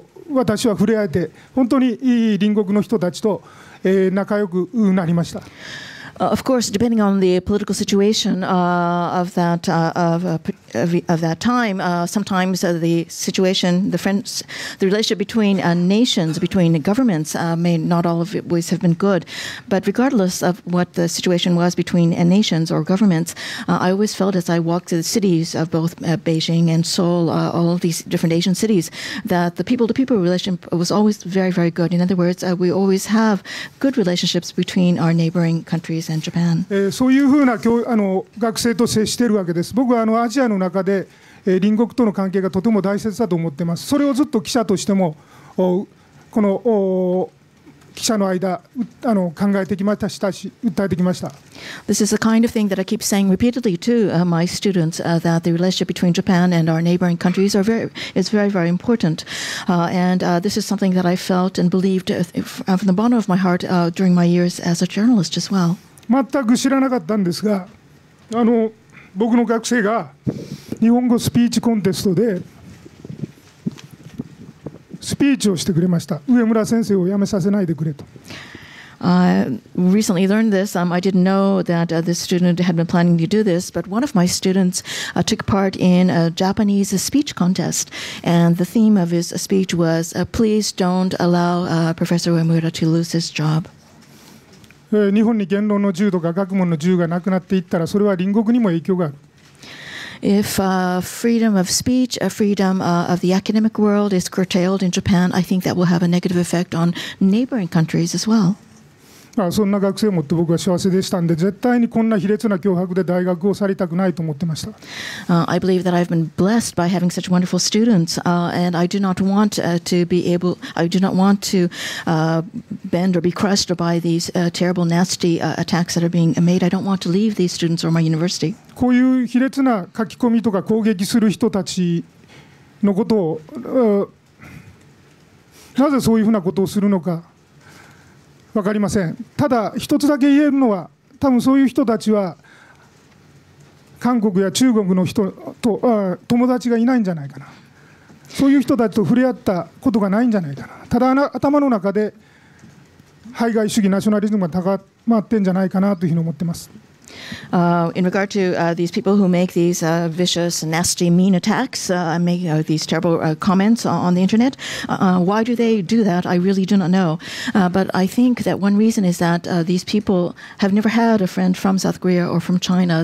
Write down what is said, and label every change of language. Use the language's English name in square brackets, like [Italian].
[Japanese] 私は触れ合えて本当にいい隣国の人たちと仲良くなりました。 [English] Of course, depending on the political situation of that time, sometimes the situation, the friends, the relationship between nations, between governments, may not always have been good. But regardless of what the situation was between nations or governments, I always felt as I walked through the cities of both Beijing and Seoul, all of these different Asian cities, that the people-to-people relationship was always very, very good. In other words, we always have good relationships between our neighboring countries. Japan. [Japanese] そういうふうな教あの学生と接しているわけです。僕はあのアジアの中で、隣国との関係がとても大切だと思っています。それをずっと記者としてもこの記者の間あの考えてきましたし訴えてきました。 [English] This is the kind of thing that I keep saying repeatedly to my students that the relationship between Japan and our neighboring countries are very important. This is something that I felt and believed from the bottom of my heart during my years as a journalist as well. [Japanese] 全く知らなかったんですが、あの僕の学生が日本語スピーチコンテストでスピーチをしてくれました。上村先生を辞めさせないでくれと。 [English] I recently learned this. I didn't know that this student had been planning to do this, but one of my students took part in a Japanese speech contest, and the theme of his speech was, "Please don't allow Professor Uemura to lose his job." [Japanese] 日本に言論の自由とか学問の自由がなくなっていったら、それは隣国にも影響がある。 [English] If freedom of speech, freedom of the academic world is curtailed in Japan, I think that will have a negative effect on neighboring countries as well. [Japanese] そんな学生もって僕は幸せでしたんで、絶対にこんな卑劣な脅迫で大学を去りたくないと思ってました。 [English] I believe that I've been blessed by having such wonderful students, and I do not want to be able, I do not want to bend or be crushed by these terrible, nasty attacks that are being made. I don't want to leave these students or my university. [Japanese] こういう卑劣な書き込みとか攻撃する人たちのことを、なぜそういうふうなことをするのか。わかりません。ただ一つだけ言えるのは、多分そういう人たちは韓国や中国の人と友達がいないんじゃないかな。そういう人たちと触れ合ったことがないんじゃないかな。ただ頭の中で排外主義、ナショナリズムが高まってんじゃないかなというふうに思ってます。 [English] In regard to these people who make these vicious, nasty, mean attacks, make these terrible comments on the internet, why do they do that? I really do not know. But I think that one reason is that these people have never had a friend from South Korea or from China.